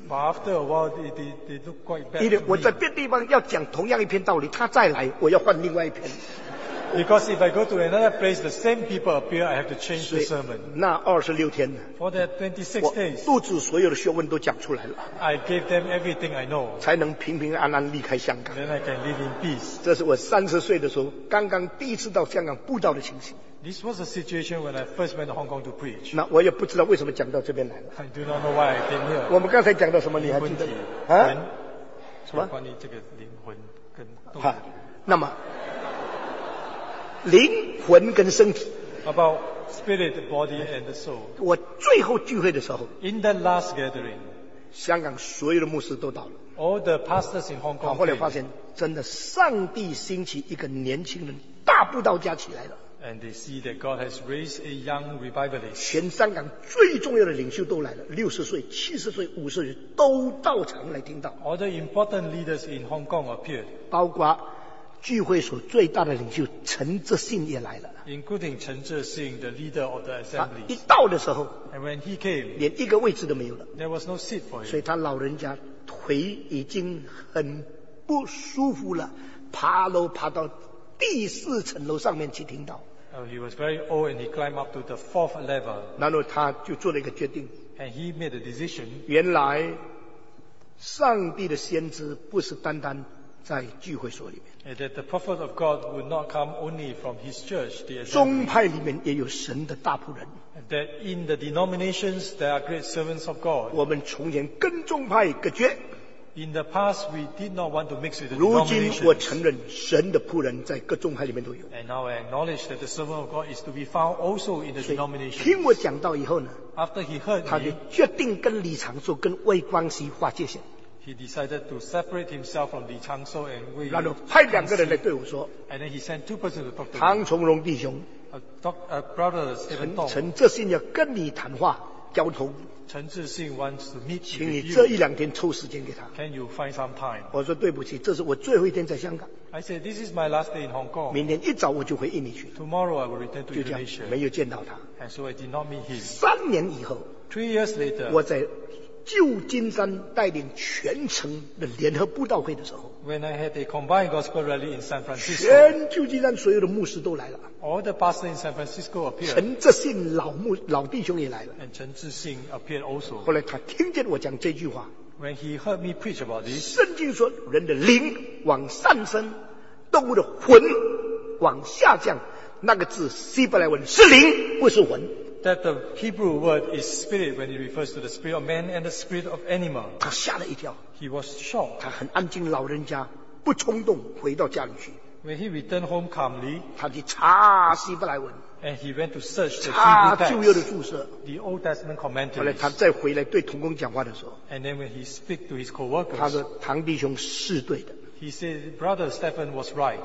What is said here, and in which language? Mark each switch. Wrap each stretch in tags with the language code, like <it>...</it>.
<en>But after a while, they look quite bad.</en> <zh>我在别地方要讲同样一篇道理，他再来，我要换另外一篇。</zh> <en>Because if I go to another place, the same people appear, I have to change the sermon.</en> <zh>那26天呢?</zh> <en>For that 26 days,</en> <zh>我肚子所有的学问都讲出来了。</zh> <en>I gave them everything I know.</en> <zh>才能平平安安离开香港。</zh> <en>Then I can live in peace.</en> <zh>这是我30岁的时候，刚刚第一次到香港布道的情形。</zh> <en>This was a situation when I first went to Hong Kong to preach.</en> <zh>那我也不知道为什么讲到这边来了。</zh> <en>I do not know why I came here.</en> <zh>我们刚才讲到什么你还记得？什么？关于这个灵魂跟动力。那么灵魂跟身体</zh> <en>，about spirit, body and the soul。</en> <zh>我最后聚会的时候</zh> <en>，in the last gathering，</en> <zh>香港所有的牧师都到了</zh> <en>，all the pastors in Hong Kong。</en> <zh>后来发现，真的，上帝兴起一个年轻人，大布道家起来了。</zh> <en>And they see that God has raised a young revivalist.</en> <zh>全香港最重要的领袖都来了，60岁、70岁、50岁都到场来听到。</zh> <en>All the important leaders in Hong Kong appeared，</en> <zh>包括。聚会所最大的领袖陈志信也来了</zh> <en>including 陈志信 the leader of the assembly</en> <zh>一到的时候</zh> <en>and when he came</en> <zh>连一个位置都没有了</zh> <en>there was no seat for him</en> <zh>所以他老人家腿已经很不舒服了爬楼爬到第四层楼上面去听到</zh> <en>he was very old and he climbed up to the fourth level</en> <zh>然后他就做了一个决定</zh> <en>and he made a decision</en> <zh>原来上帝的先知不是单单在聚会所里面。</zh> <en>And that the prophet of God would not come only from his church, the assembly.</en> <zh>宗派里面也有神的大仆人。</zh> <en>That in the denominations there are great servants of God.</en> <zh>我们从前跟宗派隔绝。</zh> <en>In the past, we did not want to mix with the denominations.</en> <zh>如今我承认神的仆人在各宗派里面都有。</zh> <en>And now I acknowledge that the servant of God is to be found also in the denominations.</en> <zh>听我讲到以后呢？</zh> <en>After he heard me,</en> <zh>他就决定跟李长寿、跟魏光熙划界限。</zh> <en>He decided to separate himself from Li Changshou and Wei.</en> <zh>然后派两个人来对我说。</zh> <en>And then he sent two persons to talk to me.</en> <zh>唐崇荣弟兄。</zh> <en>Brothers, Evan Tong.</en> <zh>陈志信要跟你谈话，交通。</zh> <en>陈志信 wants to meet you.</en> <zh>请你这一两天抽时间给他。</zh> <en>Can you find some time?</en> <zh>我说对不起，这是我最后一天在香港。</zh> <en>I said this is my last day in Hong Kong.</en> <zh>明天一早我就回印尼去。</zh> <en>Tomorrow I will return to Indonesia.</en> <zh>就这样，没有见到他。</zh> <en>And so I did not meet him.</en> <zh>三年以后。</zh> <en>Three years later.</en> <zh>我在旧金山带领全城的联合布道会的时候</zh> <en>，When I had a combined gospel rally in San Francisco，</en> <zh>全旧金山所有的牧师都来了</zh> <en>，All the pastors in San Francisco appeared，</en> <zh>陈志信老弟兄也来了</zh> <en>，And 陈志信 appeared also。</en> <zh>后来他听见我讲这句话</zh> <en>，When he heard me preach about this，</en> <zh>圣经说人的灵往上升，动物的魂往下降，那个字希伯来文是灵，不是魂。</zh> <en>That the Hebrew word is spirit when it refers to the spirit of man and the spirit of animal.</en> <zh>他吓了一跳。</zh> <en>He was shocked.</en> <zh>他很安静，老人家不冲动，回到家里去。</zh> <en>When he returned home calmly,</en> <zh>他去查希伯来文。</zh> <en>And he went to search the Hebrew text. The Old Testament commentaries.</en> <zh>后来他再回来对同工讲话的时候。</zh> <en>And then when he speak to his co-workers,</en> <zh>他说唐弟兄是对的。</zh> <en>He said, Brother Stephen was right.</en>